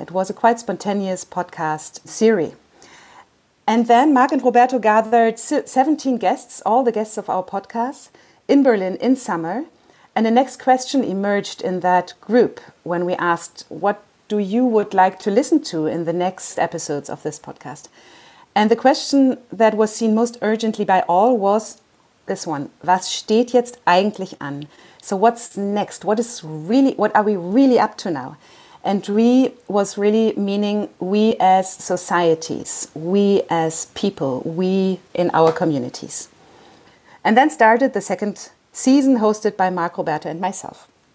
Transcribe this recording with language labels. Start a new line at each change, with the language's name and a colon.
English: It was a quite spontaneous podcast series. And then Marc and Roberto gathered 17 guests, all the guests of our podcast, in Berlin in summer. And the next question emerged in that group when we asked, what do you would like to listen to in the next episodes of this podcast? And the question that was seen most urgently by all was this one.
German: Was steht jetzt eigentlich an?
English: So what's next? What are we really up to now? And we was really meaning we as societies, we as people, we in our communities. And then started the second season hosted by Marc, Roberto and myself.